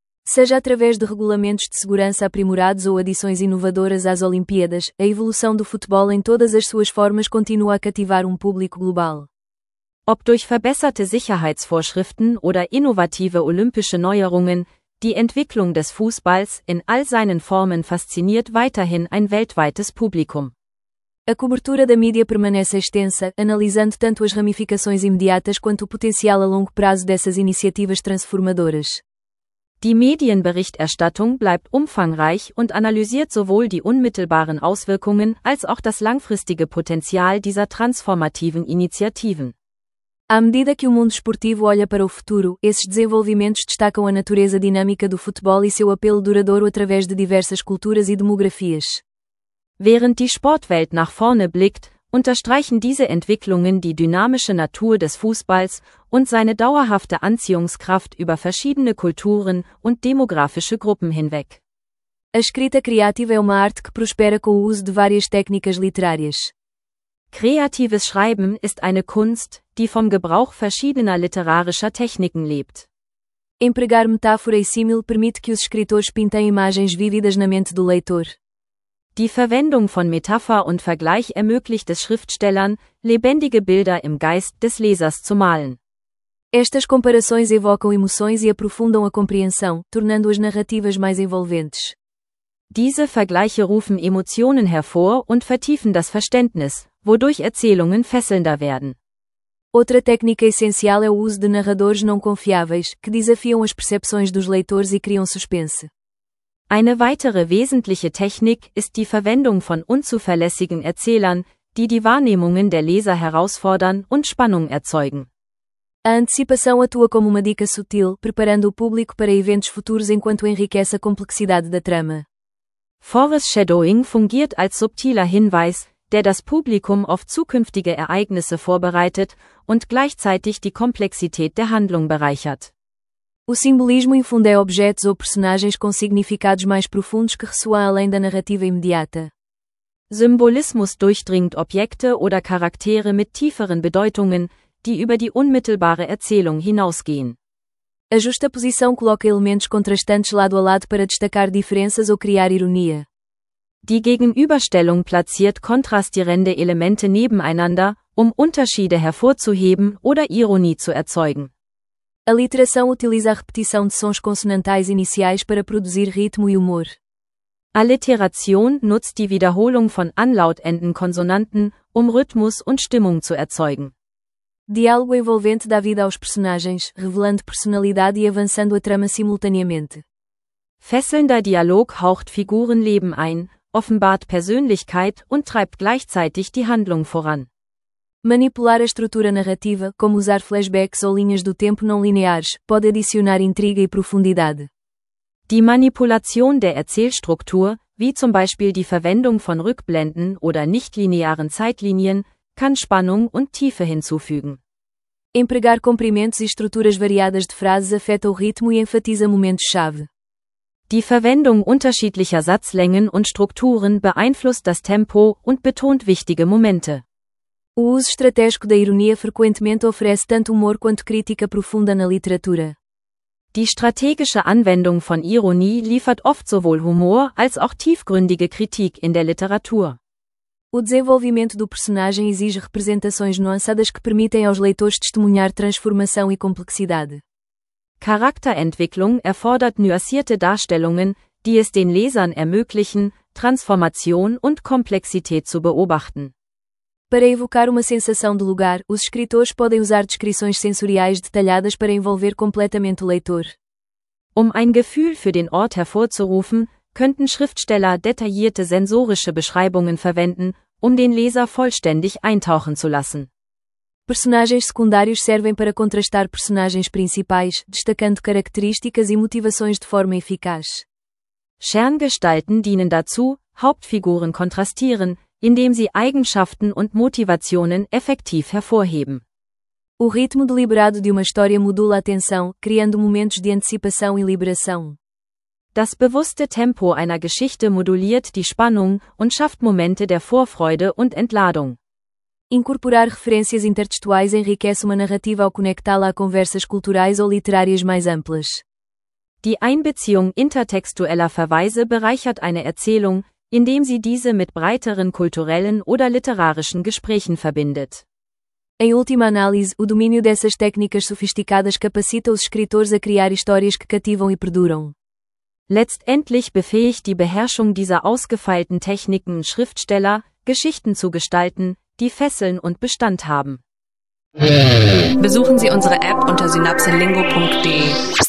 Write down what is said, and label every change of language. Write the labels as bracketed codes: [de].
[pt] Seja através de regulamentos de segurança aprimorados ou adições inovadoras às Olimpíadas, a evolução do futebol em todas as suas formas continua a cativar público global. [de] Ob durch verbesserte Sicherheitsvorschriften oder innovative olympische Neuerungen, die Entwicklung des Fußballs in all seinen Formen fasziniert weiterhin ein weltweites Publikum. [pt] A cobertura da mídia permanece extensa, analisando tanto as ramificações imediatas quanto o potencial a longo prazo dessas iniciativas transformadoras. [de] Die Medienberichterstattung bleibt umfangreich und analysiert sowohl die unmittelbaren Auswirkungen als auch das langfristige Potenzial dieser transformativen Initiativen. [pt] À medida que o mundo esportivo olha para o futuro, esses desenvolvimentos destacam a natureza dinâmica do futebol e seu apelo duradouro através de diversas culturas e demografias. [de] Während die Sportwelt nach vorne blickt, unterstreichen diese Entwicklungen die dynamische Natur des Fußballs und seine dauerhafte Anziehungskraft über verschiedene Kulturen und demografische Gruppen hinweg. [pt] A escrita criativa é uma arte que prospera com o uso de várias técnicas literárias. [de] Kreatives Schreiben ist eine Kunst, die vom Gebrauch verschiedener literarischer Techniken lebt. [pt] Empregar metáfora e símil permite que os escritores pintem imagens vívidas na mente do leitor. [de] Die Verwendung von Metapher und Vergleich ermöglicht es Schriftstellern, lebendige Bilder im Geist des Lesers zu malen. [pt] Estas comparações evocam emoções e aprofundam a compreensão, tornando as narrativas mais envolventes. [de] Diese Vergleiche rufen Emotionen hervor und vertiefen das Verständnis, wodurch Erzählungen fesselnder werden. [pt] Outra técnica essencial é o uso de narradores não confiáveis, que desafiam as percepções dos leitores e criam suspense. [de] Eine weitere wesentliche Technik ist die Verwendung von unzuverlässigen Erzählern, die die Wahrnehmungen der Leser herausfordern und Spannung erzeugen. [pt] A antecipação atua como uma dica sutil, preparando o público para eventos futuros enquanto enriquece a complexidade da trama. [de] Foreshadowing fungiert als subtiler Hinweis, der das Publikum auf zukünftige Ereignisse vorbereitet und gleichzeitig die Komplexität der Handlung bereichert. [pt] O simbolismo infunde objetos ou personagens com significados mais profundos que ressoam além da narrativa imediata. [de] Symbolismus durchdringt Objekte oder Charaktere mit tieferen Bedeutungen, die über die unmittelbare Erzählung hinausgehen. [pt] A justaposição coloca elementos contrastantes lado a lado para destacar diferenças ou criar ironia. [de] Die Gegenüberstellung platziert kontrastierende Elemente nebeneinander, Unterschiede hervorzuheben oder Ironie zu erzeugen. [pt] A literação utiliza a repetição de sons consonantais iniciais para produzir ritmo e humor. [de] Alliteration nutzt die Wiederholung von Anlautenden Konsonanten, Rhythmus und Stimmung zu erzeugen. [pt] Diálogo envolvente dá vida aos personagens, revelando personalidade e avançando a trama simultaneamente. [de] Fesselnder Dialog haucht Figuren Leben ein, offenbart Persönlichkeit und treibt gleichzeitig die Handlung voran. [pt] Manipular a estrutura narrativa, como usar flashbacks ou linhas do tempo não lineares, pode adicionar intriga e profundidade. [de] Die Manipulation der Erzählstruktur, wie zum Beispiel die Verwendung von Rückblenden oder nichtlinearen Zeitlinien, kann Spannung und Tiefe hinzufügen. [pt] Empregar comprimentos e estruturas variadas de frases afeta o ritmo e enfatiza momentos-chave. [de] Die Verwendung unterschiedlicher Satzlängen und Strukturen beeinflusst das Tempo und betont wichtige Momente. [pt] O uso estratégico da ironia frequentemente oferece tanto humor quanto crítica profunda na literatura. [de] Die strategische Anwendung von Ironie liefert oft sowohl Humor als auch tiefgründige Kritik in der Literatur. [pt] O desenvolvimento do personagem exige representações nuançadas que permitem aos leitores testemunhar transformação e complexidade. [de] Charakterentwicklung erfordert nuancierte Darstellungen, die es den Lesern ermöglichen, Transformation und Komplexität zu beobachten. [pt] Para evocar uma sensação de lugar, os escritores podem usar descrições sensoriais detalhadas para envolver completamente o leitor. [de] Ein Gefühl für den Ort hervorzurufen, könnten Schriftsteller detaillierte sensorische Beschreibungen verwenden, den Leser vollständig eintauchen zu lassen. [pt] Personagens secundários servem para contrastar personagens principais, destacando características e motivações de forma eficaz. [de] Scherngestalten dienen dazu, Hauptfiguren kontrastieren, indem sie Eigenschaften und Motivationen effektiv hervorheben. [pt] O ritmo deliberado de uma história modula a tensão, criando momentos de antecipação e liberação. [de] Das bewusste Tempo einer Geschichte moduliert die Spannung und schafft Momente der Vorfreude und Entladung. [pt] Incorporar referências intertextuais enriquece uma narrativa ao conectá-la a conversas culturais ou literárias mais amplas. [de] Die Einbeziehung intertextueller Verweise bereichert eine Erzählung, indem sie diese mit breiteren kulturellen oder literarischen Gesprächen verbindet. [pt] Em última análise, o domínio dessas técnicas sofisticadas capacita os escritores a criar histórias que cativam e perduram. [de] Letztendlich befähigt die Beherrschung dieser ausgefeilten Techniken Schriftsteller, Geschichten zu gestalten, die fesseln und Bestand haben. Besuchen Sie unsere App unter synapselingo.de.